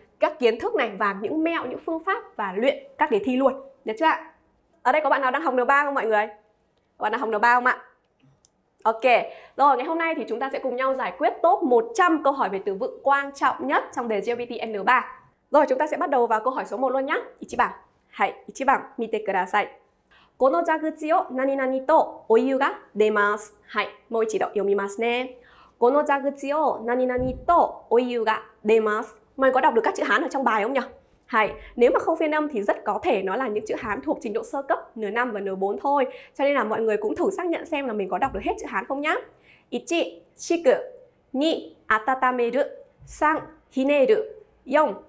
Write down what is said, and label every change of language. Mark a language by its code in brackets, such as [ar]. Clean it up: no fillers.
[vi] Các kiến thức này và những mẹo, những phương pháp và luyện các đề thi luôn. Được chưa ạ? Ở đây có bạn nào đang học N3 không mọi người? Bạn nào học N3 không ạ? Ok, rồi ngày hôm nay thì chúng ta sẽ cùng nhau giải quyết top 100 câu hỏi về từ vựng quan trọng nhất trong đề GPT N3. Rồi chúng ta sẽ bắt đầu vào câu hỏi số 1 luôn nhé. [ja] 1番 [vi] Hãy [ja] 1番 見てください。この蛇口を何々とお湯が出ます。はい、もう一度読みますね。この蛇口を何々とお湯が出ます。 [vi] Mày có đọc được các chữ Hán ở trong bài không nhỉ? Hay, nếu mà không phiên âm thì rất có thể nó là những chữ Hán thuộc trình độ sơ cấp N5 và N4 thôi. Cho nên là mọi người cũng thử xác nhận xem là mình có đọc được hết chữ Hán không nhá. 1. 식으 2. 温める 3. 희네르 4.